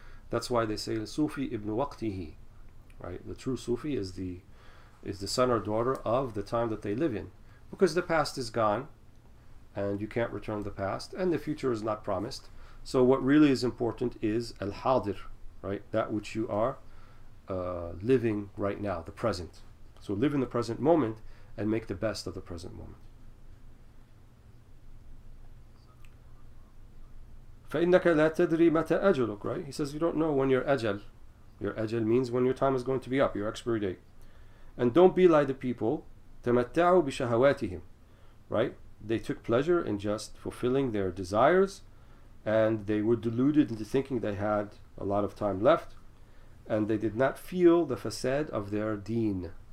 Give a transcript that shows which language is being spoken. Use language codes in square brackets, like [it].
[en] That's why they say [ar] Sufi ibn waqtihi, [en] right? The true Sufi is the son or daughter of the time that they live in, because the past is gone and you can't return the past and the future is not promised. So what really is important is al-hadir, right? That which you are living right now, the present. So live in the present moment and make the best of the present moment. [ar] فَإِنَّكَ لَا تَدْرِي مَتَى أَجَلُكَ, right? [en] He says you don't know when your ajal. Your ajal means when your time is going to be up, your expiry date. And don't be like the people, [ar] تَمَتَّعُوا بِشَهَوَاتِهِمْ, [en] right? They took pleasure in just fulfilling their desires, and they were deluded into thinking they had a lot of time left, and they did not feel the fasad of their deen.